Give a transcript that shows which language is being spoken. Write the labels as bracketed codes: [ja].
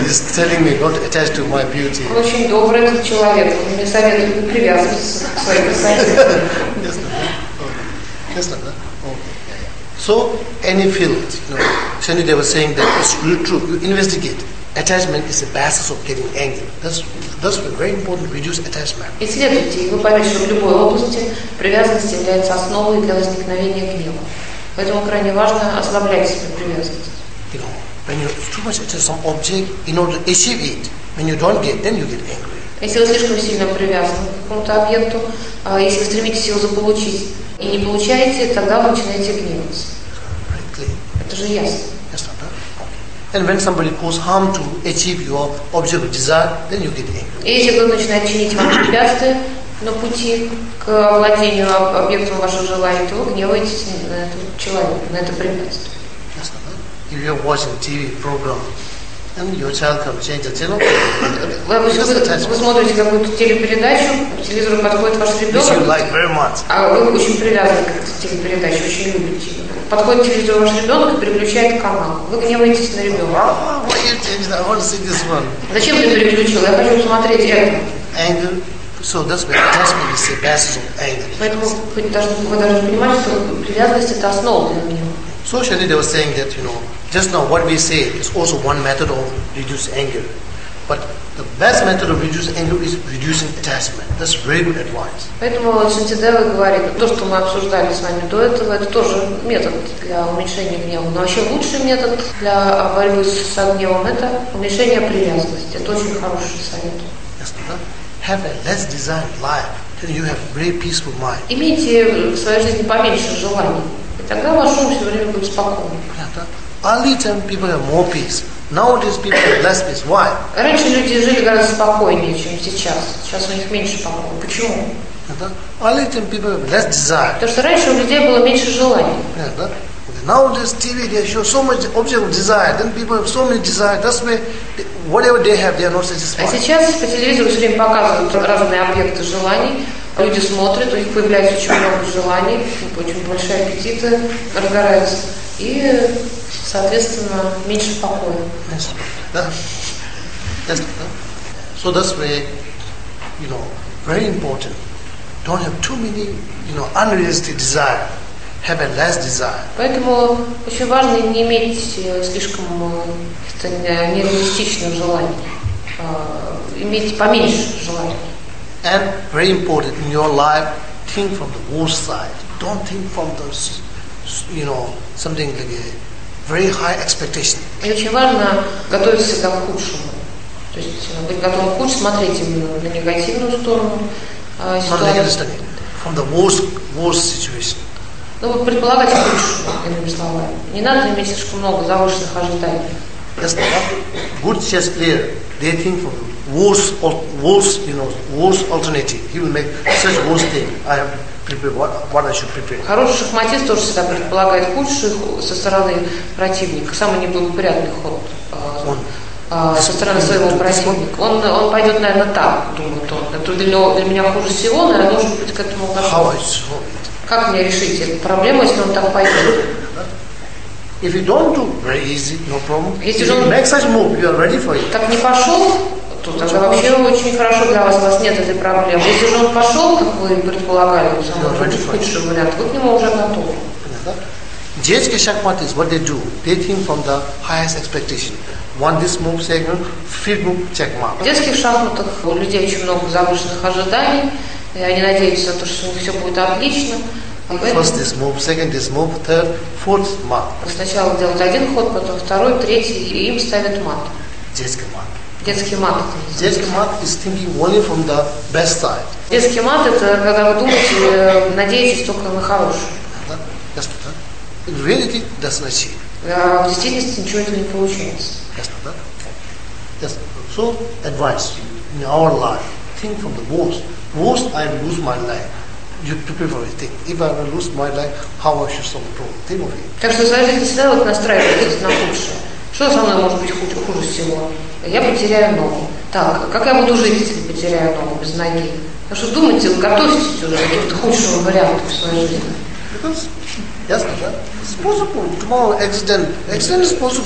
[en] He's telling me not to attach to my beauty. [ru] Очень добрый этот человек. Он мне советует не привязываться к своей красоте. [en] Yes, not that. So any field, you know, Shani, they were saying that it's really true. You investigate. Attachment is the basis of getting angry. That's very important. Reduce attachment. [ru] Исследуйте, и вы поймете, что в любой области привязанность является основой для возникновения гнева. Поэтому крайне важно ослаблять себе привязанность. [en] You know, when you too much attach some object in order to achieve it, when you don't get, then you get angry. [ru] Если вы слишком сильно привязаны к какому-то объекту, если вы стремитесь его заполучить. И не получаете, тогда вы начинаете гневаться. Это же ясно. [en] Yes, not that. And when somebody causes harm to achieve your object of desire, then you get angry. [ru] И если кто начинает чинить вам препятствия на пути к владению объектом вашего желания, то вы гневаетесь на этого человека, на это препятствие. [en] Yes, not that. If you're watching TV program, and your child comes to change the channel. [ru] Вы смотрите какую-то телепередачу, к телевизору подходит ваш ребенок. [en] Which you like very much. [ru] А вы очень привязаны к этой телепередаче, очень любите ее. Подходит к телевизору ваш ребенок и переключает канал. Вы гневаетесь на ребенка. [en] Why you change that? I want to see this one. [ru] Зачем ты переключил? Я хочу посмотреть это. [en] Anger. So that's why attachment is the basis of anger. [ru] Поэтому вы должны понимать, что привязанность это основа для гнева. [en] So Shani, they were saying that, you know, just now what we say is also one method of reduce anger. But the best method of reduce anger is reducing attachment. That's very good advice. [ru] Поэтому Шантидева говорит, то, что мы обсуждали с вами до этого, это тоже метод для уменьшения гнева. Но вообще лучший метод для борьбы с гневом – это уменьшение привязанности. Это очень хороший совет. [en] Yes, brother. Have a less desired life, then you have a very peaceful mind. [ru] Имейте в своей жизни поменьше желаний. Тогда ваш ум все время будет спокойным. [en] Early time people have more peace. Nowadays people have less peace. Why? [ru] Раньше люди жили гораздо спокойнее, чем сейчас. Сейчас у них меньше покоя. Почему? [en] Early time people have less desire. [ru] Потому что раньше у людей было меньше желаний. [en] Nowadays TV they show so much object of desire. Then people have so many desire. That's why whatever they have, they are not satisfied. [ru] А сейчас по телевизору все время показывают разные объекты желаний. Люди смотрят, у них появляется очень много желаний, очень большие аппетиты разгораются, и, соответственно, меньше покоя. [en] Yes. Yes. So that's very, you know, very important. Don't have too many, you know, unrealistic desire. Have a less desire. [ru] Поэтому очень важно не иметь слишком каких-то нереалистичных желаний. Иметь поменьше желаний. [en] And very important in your life, think from the worst side. Don't think from the, you know, something like a very high expectation. [ru] И очень важно готовиться всегда к худшему. То есть быть готовым к худшему, смотреть именно на негативную сторону ситуации. [en] From the worst situation. [ru] Ну, предполагать худшее, иными словами. Не надо иметь слишком много завышенных ожиданий. [en] Yes, good chess player, they think from the worst alternative. He will make such worst thing. I have prepared what I should prepare. [ru] Хороший шахматист тоже всегда предполагает худший со стороны противника, самый неблагоприятный ход со стороны своего противника. Он пойдет, наверное, так, думает он. Это для меня хуже всего, но я должен быть к этому готов. Как мне решить эту проблему, если он так пойдет? [en] If you don't do very easy, no problem. If you make such move, you are ready for it. [ru] Так не пошел, то тогда вообще очень хорошо для вас, у вас нет этой проблемы. Если же он пошел, как вы предполагали, худший вариант, вы к нему уже готовы. Детские шахматы, [en] what they do? They think from the highest expectation. One this move, second, fifth move, check mark. [ru] В детских шахматах у людей очень много завышенных ожиданий, И они надеются на то, что у них все будет отлично. [en] First is move, second is move, third, fourth mat. [ru] Сначала делают один ход, потом второй, третий, и им ставят мат. Детский мат. Детский мат. [en] Детский мат is thinking only from the best side. [ru] Детский мат — это когда вы думаете, надеетесь только на хорошее. Да, ясно, да? [en] In reality, that's not cheap. [ru] В действительности ничего этого не получается. Ясно, да? [en] Yes. So, advice you in our life. Think from the worst. Worst, I lose my life. You prepare for it. Think. If I lose my life, how I should solve the problem? Think of it. [ru] Так что своя жизнь всегда вот настраивается на худшее. Что со мной может быть хуже всего? Я потеряю ногу. Так, как я буду жить, если потеряю ногу без ноги? Так что думайте, готовьтесь уже к каким-то худшим вариантам в своей жизни. Ясно, да? [en] Possible. Tomorrow, accident. Accident is possible.